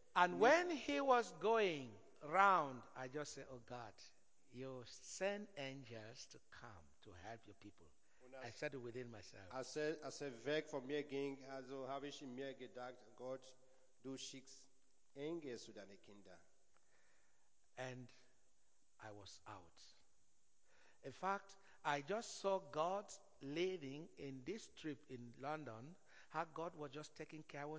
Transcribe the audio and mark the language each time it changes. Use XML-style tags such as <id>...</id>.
<en>And when he was going round, I just said, oh God, you send angels to come to help your people. I said it within myself.</en> <de>Als er weg von mir ging, also habe ich in mir gedacht, Gott, du schickst Engel zu deinen Kindern.</de> <en>And I was out. In fact, I just saw God leading in this trip in London, how God was just taking care.</en>